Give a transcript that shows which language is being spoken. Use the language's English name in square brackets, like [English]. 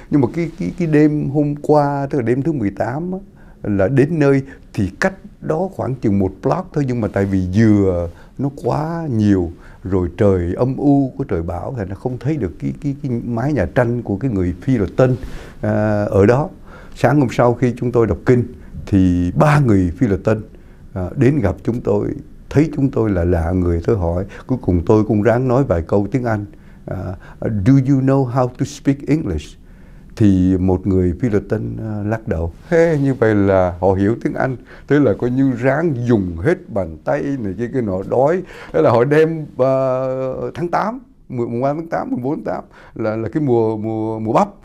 [Vietnamese] Nhưng mà cái đêm hôm qua, tức là đêm thứ 18 á, là đến nơi thì cách đó khoảng chừng một block thôi, nhưng mà tại vì dừa nó quá nhiều rồi, trời âm u của trời bão thì nó không thấy được cái mái nhà tranh của cái người Phi Lợi Tân ở đó. Sáng hôm sau khi chúng tôi đọc kinh thì ba người Phi Lợi Tân đến gặp chúng tôi, thấy chúng tôi là lạ người, tôi hỏi. Cuối cùng tôi cũng ráng nói vài câu tiếng Anh. [English] Do you know how to speak English? [Vietnamese] Thì một người Phi Lợi Tân lắc đầu. Thế như vậy là họ hiểu tiếng Anh. Thế là coi như ráng dùng hết bàn tay này kia cái nọ, đói. Thế là họ đem tháng 8, mùng 3 tháng 8, mùng 4 tháng 8 là cái mùa bắp.